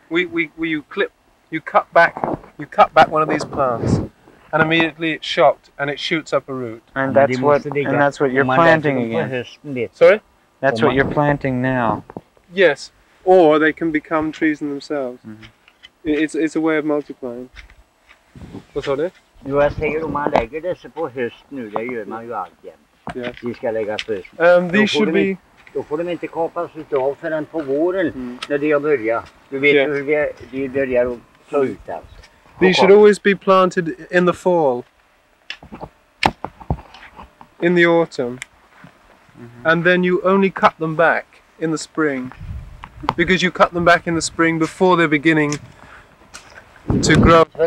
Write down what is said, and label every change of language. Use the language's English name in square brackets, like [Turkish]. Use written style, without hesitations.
[English] You cut back one of these plants, and immediately it's shocked and it shoots up a root. And that's what you're planting again. Sorry? That's what you're planting now. Yes. Or they can become trees in themselves. Mm-hmm. It's a way of multiplying. [Swedish] Vad sa du? Jo, jag säger om man lägger dessa på höst nu, det gör man ju alltid. [English] Yes. [Swedish] De ska läggas på höst. [English] These should be... [Swedish] Då får de inte kapas utav förrän på våren, när de har börjat. Du vet hur de börjar att ta ut dem. [English] These should always be planted in the fall. In the autumn. Mm-hmm. And then you only cut them back in the spring. Because you cut them back in the spring before they're beginning to grow.